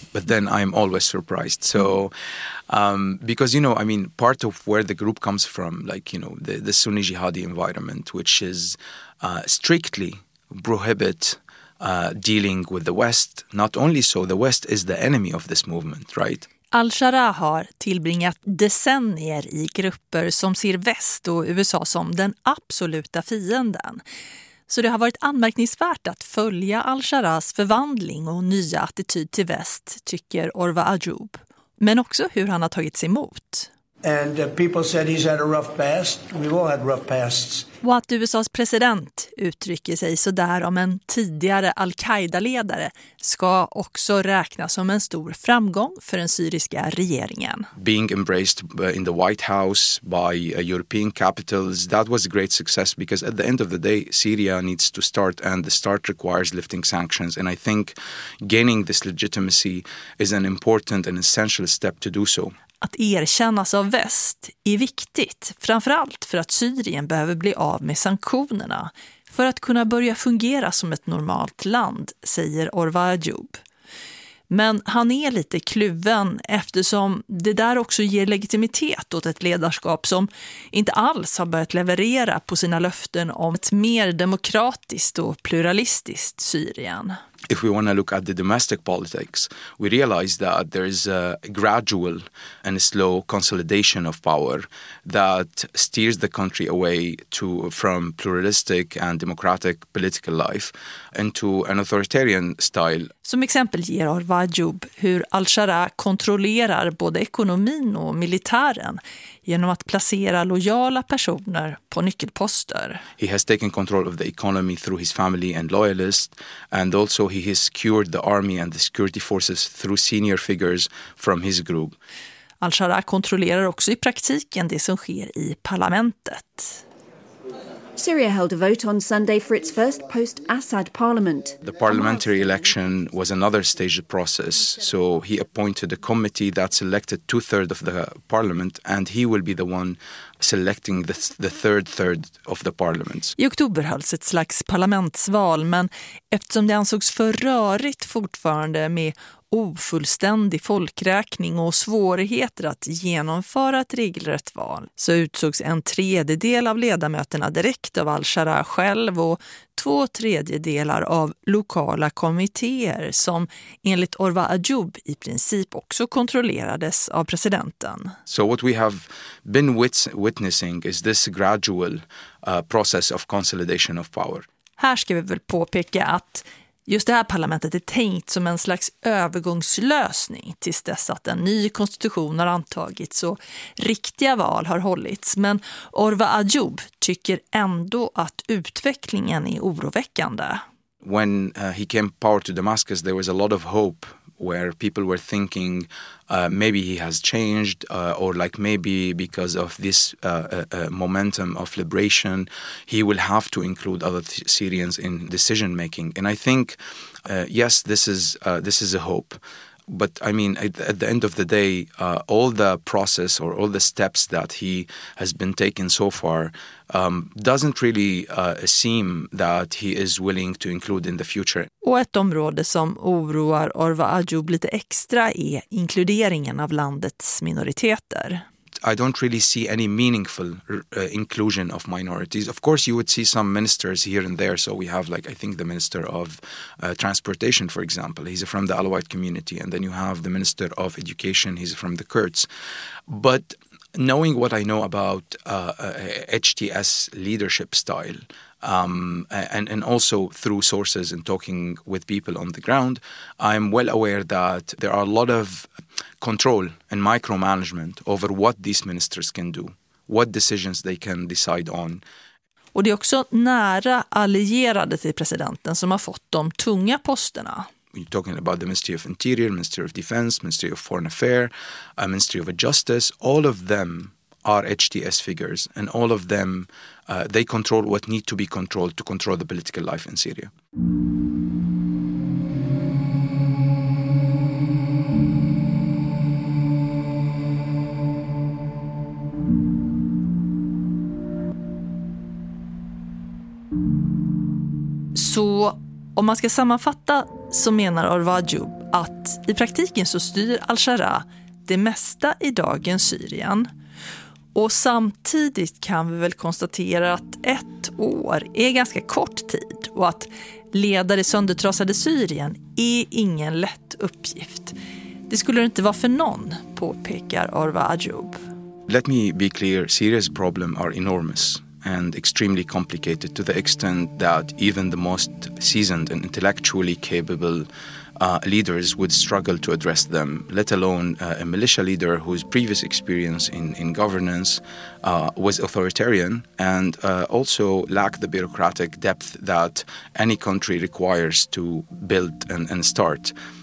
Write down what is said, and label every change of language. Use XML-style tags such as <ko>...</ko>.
<en>But then I'm always surprised. So, because, you know, I mean, part of where the group comes from, like, you know, the Sunni jihadi environment, which is strictly prohibit dealing with the West. Not only so, the West is the enemy of this movement, right?</en> <sv>Al-Shara har tillbringat decennier i grupper som ser väst och USA som den absoluta fienden. Så det har varit anmärkningsvärt att följa al-Sharas förvandling och nya attityd till väst, tycker Orvar Ajoub. Men också hur han har tagit sig emot.</sv> <en>And people said he's had a rough past. We've all had rough pasts.</en> <sv>Och att USAs president uttrycker sig så där om en tidigare al-Qaida-ledare ska också räknas som en stor framgång för den syriska regeringen.</sv> <en>Being embraced in the White House by European capitals, that was a great success because at the end of the day Syria needs to start and the start requires lifting sanctions and I think gaining this legitimacy is an important and essential step to do so.</en> <sv>Att erkännas av väst är viktigt, framförallt för att Syrien behöver bli av med sanktionerna för att kunna börja fungera som ett normalt land, säger Orvar Ayoub. Men han är lite kluven eftersom det där också ger legitimitet åt ett ledarskap som inte alls har börjat leverera på sina löften om ett mer demokratiskt och pluralistiskt Syrien.</sv> <en>If we want to look at the domestic politics, we realize that there is a gradual and a slow consolidation of power that steers the country away to from pluralistic and democratic political life into an authoritarian style.</en> <sv>Som exempel ger Orvar Ayoub hur al-Shara kontrollerar både ekonomin och militären genom att placera lojala personer på nyckelposter.</sv> <en>He has taken control of the economy through his family and loyalists, and also he has secured the army and the security forces through senior figures from his group.</en> <sv>Al-Shara kontrollerar också i praktiken det som sker i parlamentet.</sv> <en>Syria held a vote on Sunday for its first post-Assad parliament. The parliamentary election was another staged process, so he appointed a committee that selected two-thirds of the parliament and he will be the one selecting the third third of the parliament.</en> <sv>I oktober hölls ett slags parlamentsval, men eftersom det ansågs för rörigt fortfarande med ofullständig folkräkning och svårigheter att genomföra ett regelrätt val så utsågs en tredjedel av ledamöterna direkt av al-Shara själv och två tredjedelar av lokala kommittéer som enligt Orvar Ayoub i princip också kontrollerades av presidenten.</sv> <en>So what we have been witnessing is this gradual process of consolidation of power.</en> <sv>Här ska vi väl påpeka att just det här parlamentet är tänkt som en slags övergångslösning tills dess att en ny konstitution har antagits och riktiga val har hållits. Men Orvar Ayoub tycker ändå att utvecklingen är oroväckande.</sv> <en>When he came power to Damascus there was a lot of hope where people were thinking maybe he has changed or like maybe because of this momentum of liberation he will have to include other Syrians in decision making and I think yes this is a hope but I mean at the end of the day all the process or all the steps that he has been taking so far doesn't really seem that he is willing to include in the future.</en> <sv>Och ett område som oroar Orvar Ayoub lite extra är inkluderingen av landets minoriteter.</sv> <en>I don't really see any meaningful inclusion of minorities. Of course, you would see some ministers here and there. So we have, like, I think the minister of transportation, for example. He's from the Alawite community. And then you have the minister of education. He's from the Kurds. But knowing what I know about HTS leadership style, and also through sources and talking with people on the ground, I'm well aware that there are a lot of control and micromanagement over what these ministers can do, what decisions they can decide on.</en> <sv>Och det är också nära allierade till presidenten som har fått de tunga posterna.</sv> <en>You're talking about the Ministry of Interior, Ministry of Defense, Ministry of Foreign Affairs, Ministry of Justice. All of them are HTS figures and all of them, they control what need to be controlled to control the political life in Syria.</en> <sv>Så om man ska sammanfatta så menar Orvar Ayoub att i praktiken så styr al-Shara det mesta i dagens Syrien. Och samtidigt kan vi väl konstatera att ett år är ganska kort tid och att leda det söndertrasade Syrien är ingen lätt uppgift. Det skulle det inte vara för någon, påpekar Orvar Ayoub.</sv> <en>Let me be clear, Syria's problems are enormous and extremely complicated to the extent that even the most seasoned and intellectually capable leaders would struggle to address them, let alone a militia leader whose previous experience in governance was authoritarian and also lacked the bureaucratic depth that any country requires to build and start.</en>